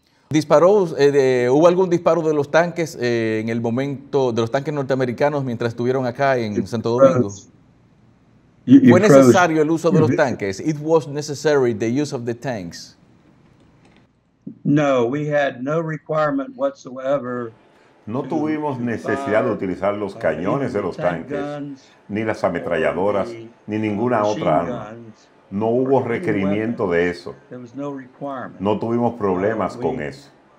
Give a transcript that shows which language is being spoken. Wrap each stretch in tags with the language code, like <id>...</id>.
<es>¿Disparó, hubo algún disparo de los tanques en el momento de los tanques norteamericanos mientras estuvieron acá en Santo Domingo? ¿Fue necesario el uso de los tanques?</es> <en>It was necessary the use of the tanks. No, we had no requirement whatsoever.</en> <es>No tuvimos necesidad de utilizar los cañones de los tanques, ni las ametralladoras, ni ninguna otra arma. No hubo requerimiento de eso.</es> <en>There was no requirement.</en> <es>No tuvimos problemas con eso.</es>